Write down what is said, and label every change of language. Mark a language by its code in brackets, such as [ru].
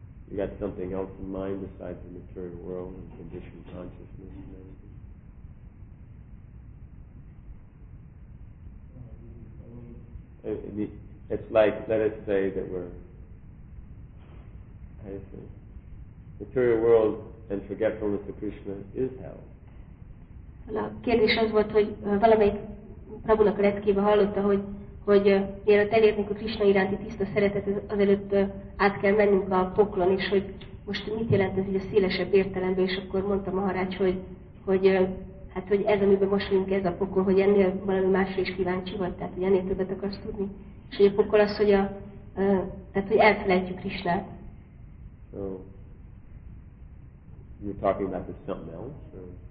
[en] You got something else in mind besides the material world and conditioned consciousness and everything? It's like, let us say that we're material world and forgetfulness of Krishna is hell. [hu] A kérdés az volt, hogy valamelyik Prabhunak a retkében hallotta, hogy mielőtt elérnünk a Krishna iránti tiszta szeretet, azelőtt át kell mennünk a poklon, és hogy most mit jelent ez így a szélesebb értelemben, és akkor mondta Maharaj, hogy ez, amiben most vagyunk, ez a pokol, hogy ennél valami másra is kíváncsi vagy, tehát hogy ennél többet akarsz tudni. És hogy a pokol az, hogy hogy elfelejtjük Krishnát. [en] So you're talking about this something else, or?